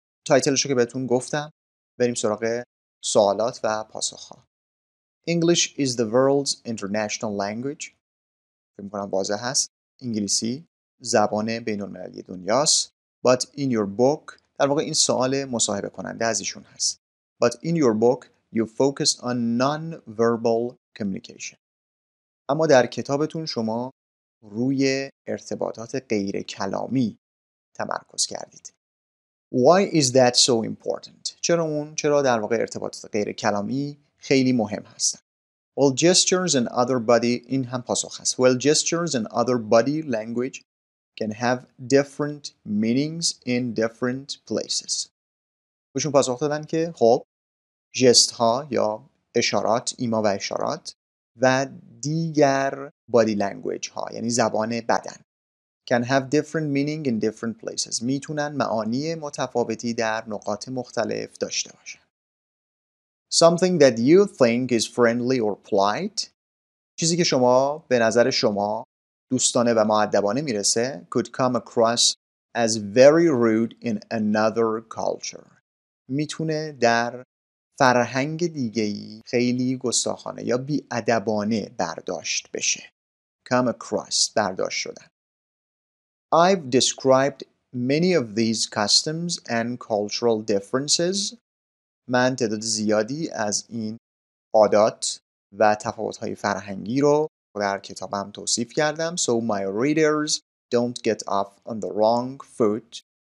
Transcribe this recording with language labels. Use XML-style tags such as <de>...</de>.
<fa>تایتلش رو که بهتون گفتم، بریم سراغ سوالات و پاسخ‌ها.</fa> <en>English is the world's international language.</en> <fa>فکر می‌کنم واضح هست. انگلیسی زبان بین‌المللی دنیاست.</fa> <en>But in your book،</en> <fa>در واقع این سوال مصاحبه کننده از ایشون هست.</fa> <en>But in your book you focused on non-verbal communication.</en> <fa>اما در کتابتون شما روی ارتباطات غیر کلامی تمرکز کردید.</fa> <en>Why is that so important?</en> <fa>چرا در واقع ارتباطات غیر کلامی خیلی مهم هستن؟</fa> <en>Well, gestures and other body</en> <fa>این هم پاسخ هست.</fa> <en>Well, gestures and other body language can have different meanings in different places.</en> <fa>بهشون پاسخ دادن که خب جست ها یا اشارات، ایما و اشارات و دیگر body language ها یعنی زبان بدن</fa> <en>can have different meaning in different places.</en> <fa>میتونن معانی متفاوتی در نقاط مختلف داشته باشن.</fa> <en>Something that you think is friendly or polite.</en> <fa>چیزی که شما به نظر شما دوستانه و مؤدبانه میرسه</fa> <en>could come across as very rude in another culture.</en> <fa>میتونه در فرهنگ دیگه‌ای خیلی گستاخانه یا بی‌ادبانه برداشت بشه. Come across برداشت شدن.</fa> <en>I've described many of these customs and cultural differences.</en> <fa>من تعداد زیادی از این عادات و تفاوت‌های فرهنگی رو در کتابم توصیف کردم.</fa> <en>So my readers don't get off on the wrong foot.</en>